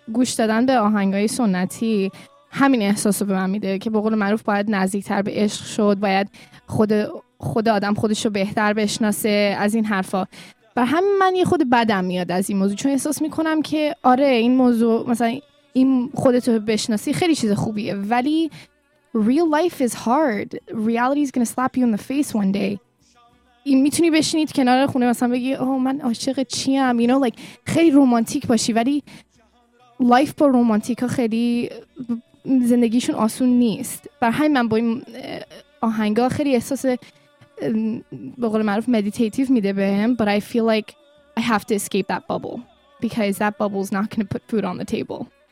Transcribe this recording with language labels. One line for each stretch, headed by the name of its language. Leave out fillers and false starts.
Persian: گوش دادن به آهنگای سنتی همین احساس رو به من میده که به قول معروف باید نزدیکتر به عشق شد، باید خود آدم خودش رو بهتر بشناسه از این حرفا. بر همین من یه خود بدم میاد از این موضوع، چون احساس میکنم که آره این موضوع مثلا این خودتو بشناسی خیلی چیز خوبیه، ولی
English: real life is hard. Reality is gonna slap you in the face one day.
Persian: این میتونی بشینید کنار خونه مثلا بگی اوه من عاشق چیم،
English: you know, like
Persian: خیلی رومانتیک باشی، ولی لایف با رومانتیکا خیلی زندگیشون آسون نیست. بر همین من با این آهنگا خیلی احساس به قول معروف مدیتیتیف میده بهم،
English: but I feel like I have to escape that bubble because that bubble is not going to put food on the table.